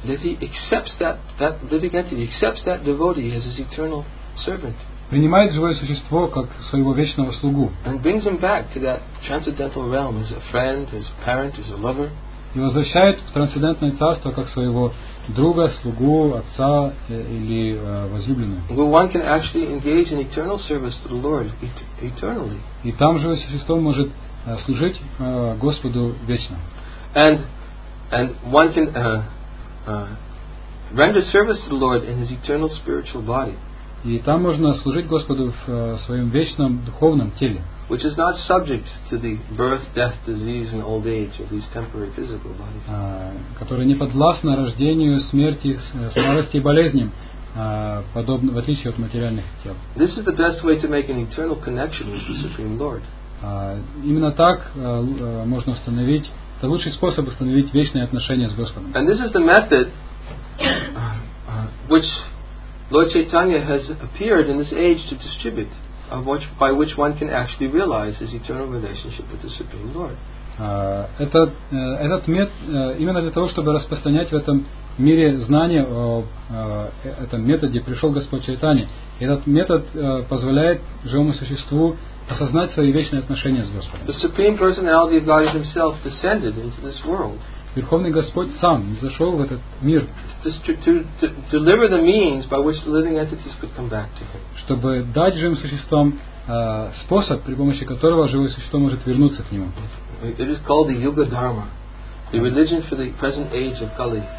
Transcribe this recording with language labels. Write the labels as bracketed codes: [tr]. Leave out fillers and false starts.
[en] That he accepts that living entity, accepts that devotee as his eternal servant. [ru] Принимает живое существо как своего вечного слугу. [en] And brings him back to that transcendental realm as a friend, as a parent, as a lover. [ru] И возвращает в трансцендентное царство как своего друга, слугу, отца или возлюбленного. [en] Well, one can actually engage in eternal service to the Lord eternally. [ru] И там живое существо может служить Господу вечно. [en] And one can render service to the Lord in his eternal spiritual body. [ru] И там можно служить Господу в своем вечном духовном теле. [en] Which is not subject to the birth, death, disease, and old age of these temporary physical bodies. [ru] Которое не подвластно рождению, смерти, старости и болезням, подобно в отличие от материальных тел. [en] This is the best way to make an eternal connection with the Supreme Lord. [ru] Именно так можно установить. Это лучший способ установить вечные отношения с Господом. [en] And this is the method which Lord Chaitanya has appeared in this age to distribute, by which one can actually realize his eternal relationship with the Supreme Lord. [ru] Этот метод именно для того, чтобы распространять в этом мире знания о этом методе, пришел Господь Чайтанья. Этот метод позволяет живому существу осознать свои вечные отношения с Господом. [en] The Supreme Personality of Godhead Himself descended into this world. [ru] Верховный Господь сам зашел в этот мир. [en] To deliver the means by which the living entities could come back to Him. [ru] Чтобы дать живым существам способ, при помощи которого живое существо может вернуться к Нему. [en] It is called the Yuga Dharma, the religion for the present age of Kali.